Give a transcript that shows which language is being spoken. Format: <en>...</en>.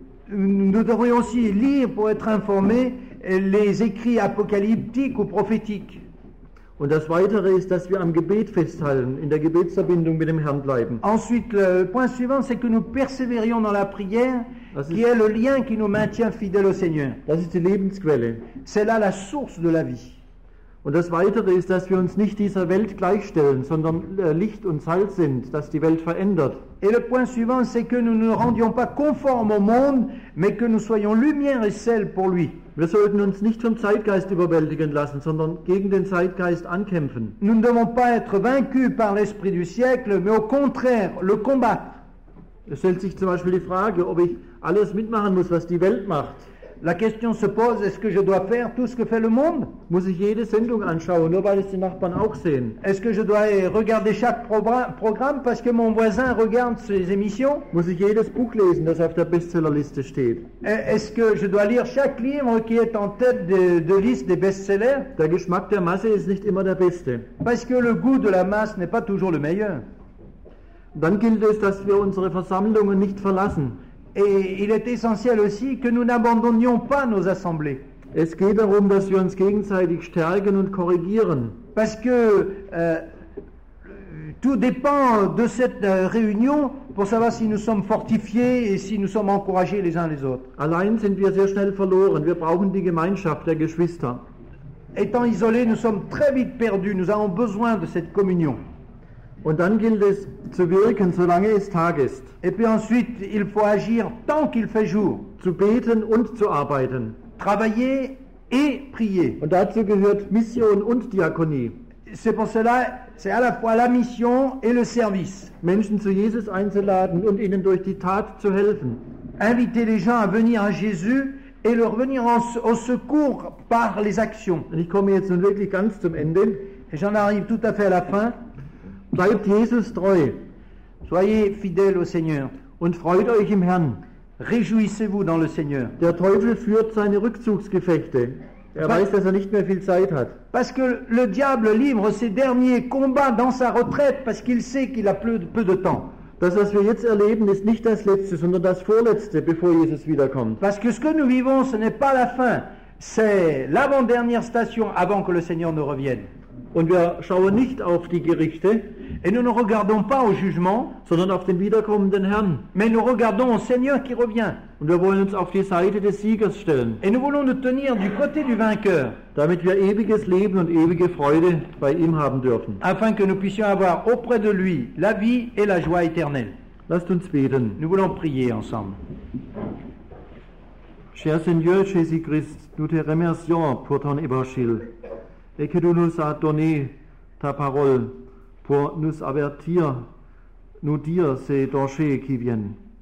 <fr>Nous devrions aussi lire pour être informés les écrits apocalyptiques ou prophétiques.</fr> <de>Und das Weitere ist, dass wir am Gebet festhalten, in der Gebetsverbindung mit dem Herrn bleiben.</de> <fr>Ensuite, le point suivant, c'est que nous persévérions dans la prière, qui est le lien qui nous maintient fidèles au Seigneur.</fr> <de>Das ist die Lebensquelle.</de> <fr>C'est là la source de la vie.</fr> <de>Und das Weitere ist, dass wir uns nicht dieser Welt gleichstellen, sondern Licht und Salz sind, das die Welt verändert.</de> <fr>Et le point suivant, c'est que nous ne rendions pas conformes au monde, mais que nous soyons lumière et sel pour lui.</fr> <de>Wir sollten uns nicht vom Zeitgeist überwältigen lassen, sondern gegen den Zeitgeist ankämpfen.</de> <fr>Nous ne devons pas être vaincus par l'esprit du siècle, mais au contraire, le combattre.</fr> <de>Es stellt sich zum Beispiel die Frage, ob ich alles mitmachen muss, was die Welt macht.</de> <fr>La question se pose, est-ce que je dois faire tout ce que fait le monde?</fr> <de>Muss ich jede Sendung anschauen, nur weil es die Nachbarn auch sehen?</de> <fr>Est-ce que je dois regarder chaque programme parce que mon voisin regarde ses émissions?</fr> <de>Muss ich jedes Buch lesen, das auf der Bestsellerliste steht?</de> <fr>Est-ce que je dois lire chaque livre qui est en tête de liste des best-sellers?</fr> <de>Der Geschmack der Masse ist nicht immer der beste.</de> <fr>Parce que le goût de la masse n'est pas toujours le meilleur.</fr> <de>Dann gilt es, dass wir unsere Versammlungen nicht verlassen.</de> <fr>Et il est essentiel aussi que nous n'abandonnions pas nos assemblées.</fr> <de>Es geht darum, dass wir uns gegenseitig stärken und korrigieren.</de> <fr>Parce que tout dépend de cette réunion pour savoir si nous sommes fortifiés et si nous sommes encouragés les uns les autres.</fr> <de>Allein sind wir sehr schnell verloren. Wir brauchen die Gemeinschaft der Geschwister.</de> <fr>Étant isolés, nous sommes très vite perdus. Nous avons besoin de cette communion.</fr> <de>Und dann gilt es zu wirken, solange es Tag ist.</de> <fr>Et puis ensuite, il faut agir tant qu'il fait jour.</fr> <de>Zu beten und zu arbeiten.</de> <fr>Travailler et prier.</fr> <de>Und dazu gehört Mission und Diakonie.</de> <fr>C'est pour cela, c'est à la fois la mission et le service.</fr> <de>Menschen zu Jesus einzuladen und ihnen durch die Tat zu helfen.</de> <fr>Inviter les gens à venir à Jésus et leur venir au secours par les actions.</fr> <de>Und ich komme jetzt nun wirklich ganz zum Ende.</de> <fr>Et j'en arrive tout à fait à la fin.</fr> <de>Bleibt Jesus treu.</de> <fr>Soyez fidèles au Seigneur.</fr> <de>Und freut euch im Herrn.</de> <fr>Réjouissez-vous dans le Seigneur.</fr> <de>Der Teufel führt seine Rückzugsgefechte. weiß, dass nicht mehr viel Zeit hat.</de> <fr>Parce que le diable livre ses derniers combats dans sa retraite parce qu'il sait qu'il a peu de temps.</fr> <de>Das, was wir jetzt erleben, ist nicht das Letzte, sondern das Vorletzte, bevor Jesus wiederkommt.</de> <fr>Parce que ce que nous vivons, ce n'est pas la fin, c'est l'avant-dernière station avant que le Seigneur ne revienne.</fr> <de>Und wir schauen nicht auf die Gerichte,</de> <fr>et nous ne regardons pas au jugement,</fr> <de>sondern auf den wiederkommenden Herrn.</de> <fr>Mais nous regardons au Seigneur qui revient.</fr> <de>Und wir wollen uns auf die Seite des Siegers stellen.</de> <fr>Et nous voulons nous tenir du côté du vainqueur.</fr> <de>Damit wir ewiges Leben und ewige Freude bei ihm haben dürfen.</de> <fr>Afin que nous puissions avoir auprès de lui la vie et la joie éternelle.</fr> <de>Lasst uns beten.</de> <fr>Nous voulons prier ensemble. Cher Seigneur Jésus-Christ, nous te remercions pour ton évangile. Et que tu nous as donné ta parole pour nous avertir, nous dire ces dangers qui viennent.</fr>